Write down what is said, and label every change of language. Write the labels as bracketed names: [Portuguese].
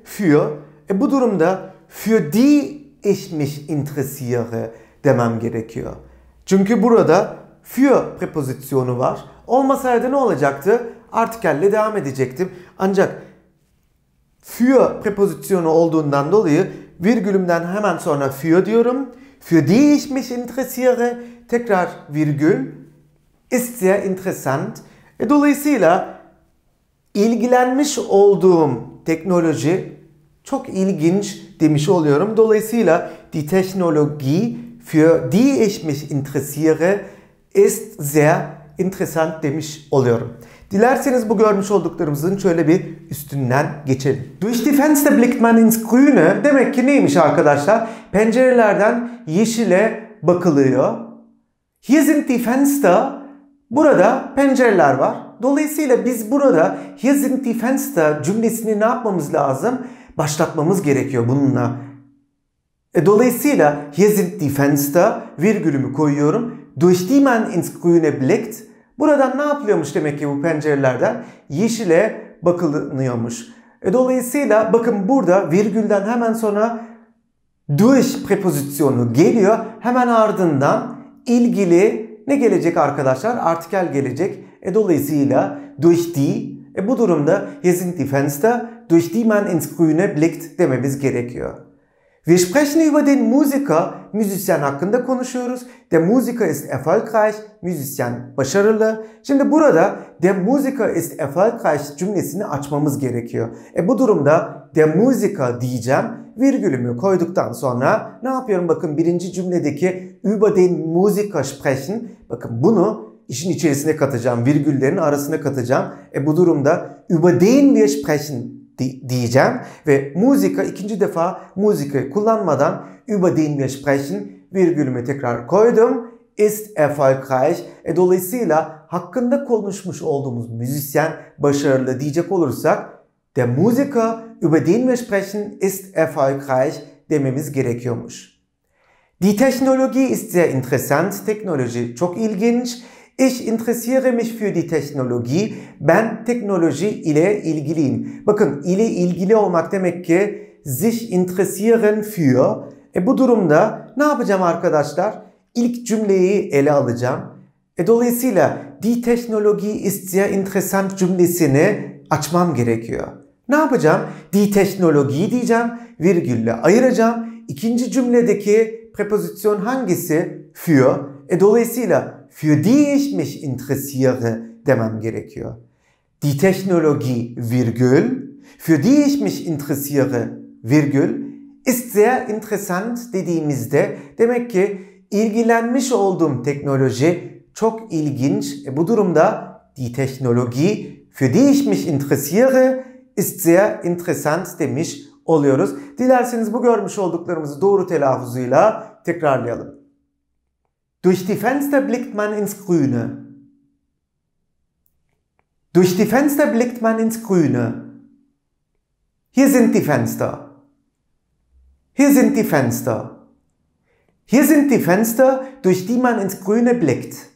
[Turkish] Für. Bu durumda [German] für die ich mich interessiere [Turkish] demem gerekiyor. Çünkü burada für preposition'u var. Olmasaydı ne olacaktı? Artikelle devam edecektim. Ancak für preposition'u olduğundan dolayı virgülümden hemen sonra für diyorum. [German] Für die ich mich interessiere. [Turkish] Tekrar virgül. [German] Ist sehr interessant. [Turkish] Dolayısıyla ilgilenmiş olduğum teknoloji çok ilginç demiş oluyorum. Dolayısıyla [German] die Technologie für die ich mich interessiere ist sehr interessant [Turkish] demiş oluyorum. Dilerseniz bu görmüş olduklarımızın şöyle bir üstünden geçelim. [German] Durch die Fenster blickt man ins Grüne. [Turkish] Demek ki neymiş arkadaşlar? Pencerelerden yeşile bakılıyor. [German] Hier sind die Fenster. [Turkish] Burada pencereler var. Dolayısıyla biz burada [German] hier sind die Fenster [Turkish] cümlesini ne yapmamız lazım? Başlatmamız gerekiyor bununla. Dolayısıyla [German] hier sind die Fenster [Turkish] virgülümü koyuyorum. [German] Durch die man ins Grüne blickt. [Turkish] Buradan ne yapılıyormuş demek ki bu pencerelerden? Yeşile bakılıyormuş. Dolayısıyla bakın burada virgülden hemen sonra durch preposition'u geliyor. Hemen ardından ilgili ne gelecek arkadaşlar? Artikel gelecek. Dolayısıyla [German] durch die. [Turkish] Bu durumda [German] hier sind die Fenster. Durch die man ins Grüne blickt [Turkish] dememiz gerekiyor. [German] Wir sprechen über den Musiker. [Turkish] Müzisyen hakkında konuşuyoruz. [German] Der Musiker ist erfolgreich. [Turkish] Müzisyen başarılı. Şimdi burada [German] der Musiker ist erfolgreich [Turkish] cümlesini açmamız gerekiyor. Bu durumda [German] der Musiker [Turkish] diyeceğim. Virgülümü koyduktan sonra ne yapıyorum? Bakın birinci cümledeki [German] über den Musiker sprechen. [Turkish] Bakın bunu işin içerisine katacağım. Virgüllerin arasına katacağım. Bu durumda [German] über den wir sprechen [Turkish] diyeceğim ve müzika ikinci defa müzikayı kullanmadan [German] über den wir sprechen [Turkish] virgülümü tekrar koydum. [German] Ist erfolgreich. [Turkish] Dolayısıyla hakkında konuşmuş olduğumuz müzisyen başarılı diyecek olursak [German] der Musiker über den wir sprechen ist erfolgreich [Turkish] dememiz gerekiyormuş. [German] Die Technologie ist sehr interessant. [Turkish] Teknoloji çok ilginç. [German] Ich interessiere mich für die Technologie. [Turkish] Ben teknoloji ile ilgiliyim. Bakın, ile ilgili olmak demek ki [German] sich interessieren für. [Turkish] Bu durumda ne yapacağım arkadaşlar? İlk cümleyi ele alacağım. Dolayısıyla [German] die Technologie ist sehr interessant [Turkish] cümlesini açmam gerekiyor. Ne yapacağım? [German] Die Technologie [Turkish] diyeceğim, virgülle ayıracağım. İkinci cümledeki preposition hangisi? Für. Dolayısıyla [German] für die ich mich interessiere [Turkish] demem gerekiyor. [German] Die Technologie, virgül. Für die ich mich interessiere, virgül. Ist sehr interessant [Turkish] dediğimizde demek ki ilgilenmiş olduğum teknoloji çok ilginç. Bu durumda [German] die Technologie, für die ich mich interessiere, ist sehr interessant [Turkish] demiş oluyoruz. Dilerseniz bu görmüş olduklarımızı doğru telaffuzuyla tekrarlayalım. [German] Durch die Fenster blickt man ins Grüne. Durch die Fenster blickt man ins Grüne. Hier sind die Fenster. Hier sind die Fenster. Hier sind die Fenster, durch die man ins Grüne blickt.